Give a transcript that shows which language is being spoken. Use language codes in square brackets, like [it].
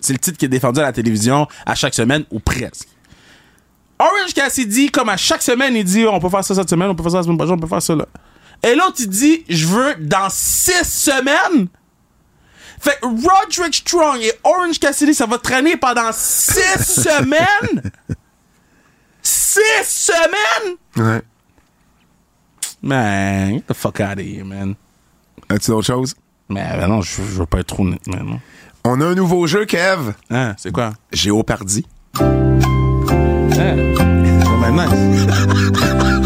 [fr] C'est le titre qui est défendu à la télévision à chaque semaine, ou presque. Orange Cassidy, comme à chaque semaine, il dit, on peut faire ça cette semaine, on peut faire ça la semaine prochaine, on peut faire ça là. Et l'autre, il dit, je veux dans 6 semaines. Fait que Roderick Strong et Orange Cassidy, ça va traîner pendant 6 semaines? 6 semaines? Ouais. [en] Man, get the fuck out of here, man. [fr] As-tu d'autres choses? Mais non, je veux pas être trop net, mais non. On a un nouveau jeu, Kev. Hein, c'est quoi? Géopardy. Hein? Ben nice.